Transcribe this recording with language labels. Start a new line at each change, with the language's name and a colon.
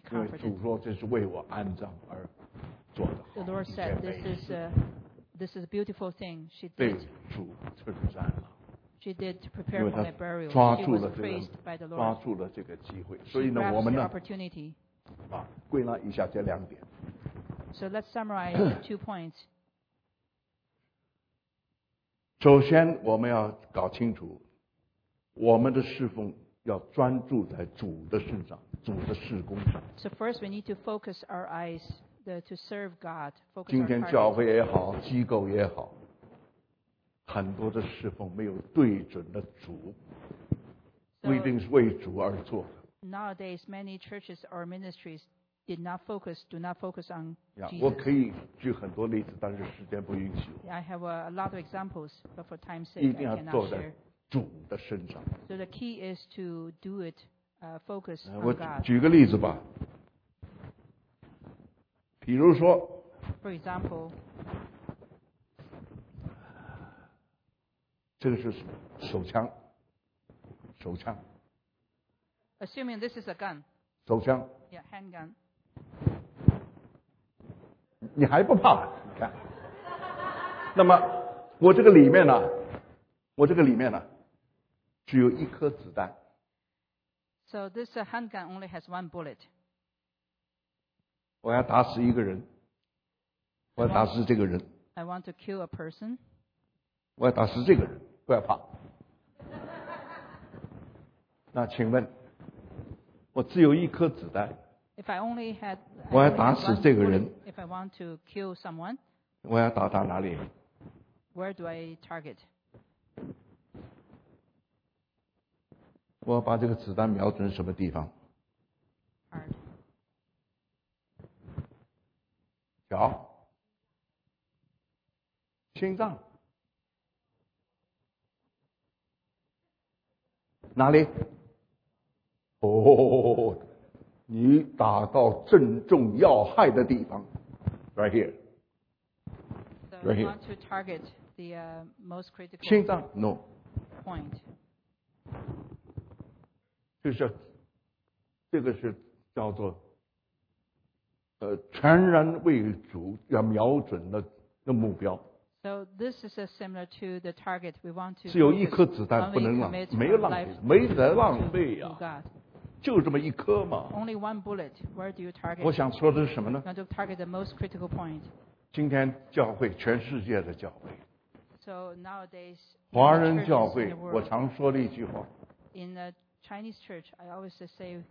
Chinese: 因为主说这是为我安葬而做的。
English: The Lord said, "This is a beautiful thing." She did.
Chinese: 被主称赞了。
English: She did prepare for my burial.
Chinese: 抓住了这个、
English: she was praised by the Lord.
Chinese: 抓住了这个机会，所以呢，我们呢，啊，归纳一下这两点。
English: So let's summarize the two points.
Chinese: 首先，我们要搞清楚，我们的侍奉要专注在主的身上，主的事工上。
English: So first, we need to focus our eyes to serve God.
Chinese: 今天教会也好，机构也好。很多的侍奉没有对准的主，不一定是为主而做的。
English: Nowadays, many churches or ministries did not focus, do not focus on Jesus.
Chinese: Yeah, 我可以举很多例子，但是时间不允许。
English: I have a lot of examples, but for time's sake,
Chinese: 一定要坐在主的身上。
English: So the key is to do it, focus on God.
Chinese: 我举个例子吧。比如说
English: ，For example,
Chinese: 这个是手枪，手枪。
English: Assuming this is a gun.
Chinese: 手枪。
English: Yeah, handgun.
Chinese: 你还不怕？你看，那么我这个里面呢，我这个里面呢，只有一颗子弹。
English: So this handgun only has one bullet.
Chinese: 我要打死一个人，我要打死这个人。
English: I want to kill a person.
Chinese: 我要打死这个人，不要怕。那请问，我只有一颗子弹。
English: If I only had,
Chinese: 我要打死这个人。
English: If I want to kill someone,
Chinese: 我要打哪里
English: ？Where do I target?
Chinese: 我要把这个子弹瞄准什么地方？脚、心脏哪里？哦，你打到正中要害的地方 ，
English: right here， right here。 So you want to target the most critical
Chinese: 心脏 ？
English: No。 Point。
Chinese: 就是这个是叫做。全然为主要瞄准的那目标。
English: So this is similar to the target we want to.
Chinese: 只有一颗子弹，不能浪费，没浪费，没得浪费呀、啊。就这么一颗嘛。
English: Only one bullet. Where do you target?
Chinese: 我想说的是什么呢
English: ？You want to target the most critical point.
Chinese: 今天教会，全世界的教会。
English: So nowadays.
Chinese: 华人教会，我常说的一句话。
English: In the Chinese church, I always say.